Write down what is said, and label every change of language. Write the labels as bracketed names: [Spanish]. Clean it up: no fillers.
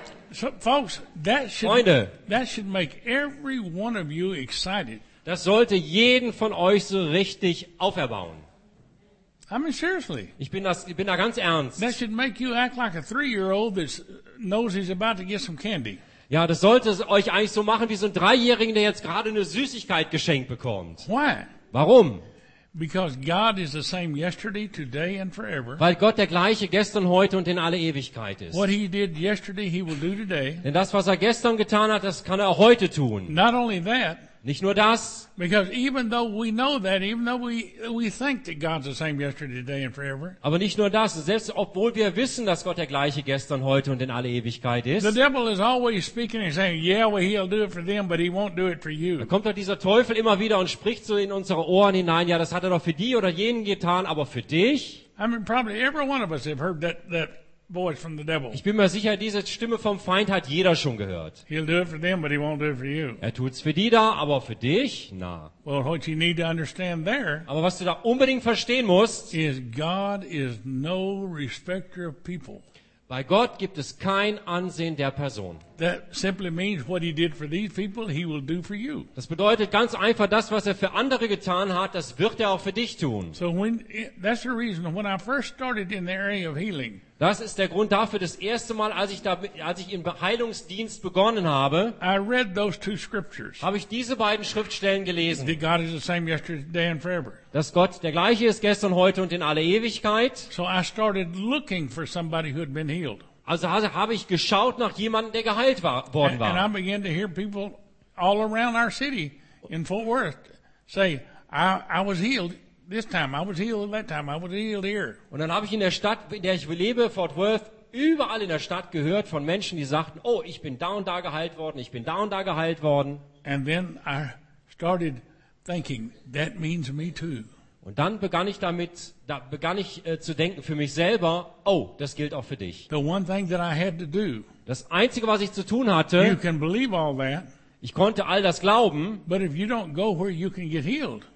[English] So, folks, that should make every one of you excited. [German] Das sollte jeden von euch so richtig auferbauen. [English] I mean, seriously. [German] Ich bin da ganz ernst. [English] That should make you act like a 3-year-old that knows he's about to get some candy. [German] Ja, das sollte es euch eigentlich so machen wie so ein 3-Jähriger, der jetzt gerade eine Süßigkeit geschenkt bekommt. [English] Why? [German] Warum? [English] Because God is the same yesterday, today and forever. [German] Weil Gott der gleiche gestern, heute und in alle Ewigkeit ist. [English] What he did yesterday, he will do today. [German] Denn das, was er gestern getan hat, das kann er auch heute tun. [English] Not only that. [German] Nicht nur das. [English] Because even though we know that, even though we think that God's the same yesterday, today and forever. [German] Aber nicht nur das, selbst obwohl wir wissen, dass Gott der gleiche gestern, heute und in alle Ewigkeit ist. [English] The devil is always speaking and saying, yeah, well, he'll do it for them, but he won't do it for you. [German] Da kommt doch dieser Teufel immer wieder und spricht so in unsere Ohren hinein, ja, das hat er doch für die oder jenen getan, aber für dich? [English] I mean, probably every one of us have heard that voice from the devil. [German] Ich bin mir sicher, diese Stimme vom Feind hat jeder schon gehört. [English] He'll do it for them, but he won't do it for you. [German] Er tut's für die da, aber für dich? Na. [English] Well, what you need to understand there. [German] Aber was du da unbedingt verstehen musst, [English] is God is no respecter of people. [German] Bei Gott gibt es kein Ansehen der Person. [English] That simply means what he did for these people, he will do for you. [German] Das bedeutet ganz einfach, das, was er für andere getan hat, das wird er auch für dich tun. [English] So that's the reason when I first started in the area of healing. [German] Das ist der Grund dafür, das erste Mal, als ich im Heilungsdienst begonnen habe, [English] I read those two scriptures. [German] Habe ich diese beiden Schriftstellen gelesen. [English] That God is the same yesterday and forever. [German] Dass Gott der gleiche ist gestern, heute und in alle Ewigkeit. [English] So I started looking for somebody who had been healed. [German] Also habe ich geschaut nach jemandem, der geheilt worden war. [English] And I began to hear people all around our city in Fort Worth say, I was healed. This time I was healed, that time I was healed here. [German] Und dann habe ich in der Stadt, in der ich lebe, Fort Worth, überall in der Stadt gehört von Menschen, die sagten, oh, ich bin da und da geheilt worden, ich bin da und da geheilt worden. [English] And then I started thinking, that means me too. [German] Und dann begann ich zu denken für mich selber, oh, das gilt auch für dich. [English] The one thing that I had to do. [German] Das einzige, was ich zu tun hatte. [English] You can believe all that. [German] Ich konnte all das glauben. [English] But if you don't go where you can get healed.